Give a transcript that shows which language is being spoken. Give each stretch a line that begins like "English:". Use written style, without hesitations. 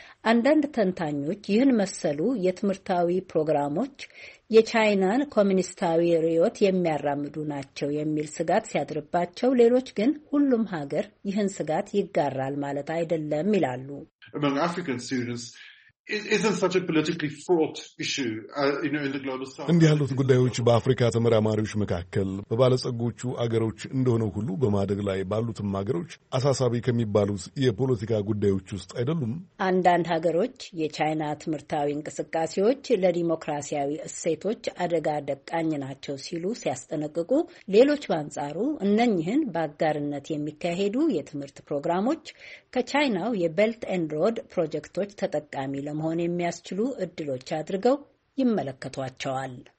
Amharic: አንዳንድ ተንታኞች ይህን መሰሉ የትምህርታዊ ፕሮግራሞች የቻይናን ኮሚኒስታዊ ርዕዮት የሚያራምዱ ናቸው የሚል ስጋት ሲያድርባቸው፣ ሌሎች ግን ሁሉም ሀገር ይህን ስጋት ይጋራል ማለት አይደለም ይላሉ።
English: Isn't such a politically fraught issue, in the global south?
Amharic: እንዲህ ያሉት ጉዳዮች በአፍሪካ ተመራማሪዎች መካከል በባለጸጎቹ አገሮች እንደሆነ ሁሉ በማደግ ላይ ባሉትም አገሮች አሳሳቢ ከሚባሉት የፖለቲካ ጉዳዮች ውስጥ አይደሉም። አንዳንድ ሀገሮች የቻይና ትምህርታዊ እንቅስቃሴዎች ለዲሞክራሲያዊ እሴቶች አደጋ ደቃኝ ናቸው ሲሉ ሲያስጠነቅቁ፣ ሌሎች በአንጻሩ እነኚህን በአጋርነት የሚካሄዱ የትምህርት ፕሮግራሞች ከቻይናው የቤልት ኤንድ ሮድ ፕሮጀክቶች ተጠቃሚ ለመሆን የሚያስችሉ እድሎች አድርገው ይመለከቷቸዋል።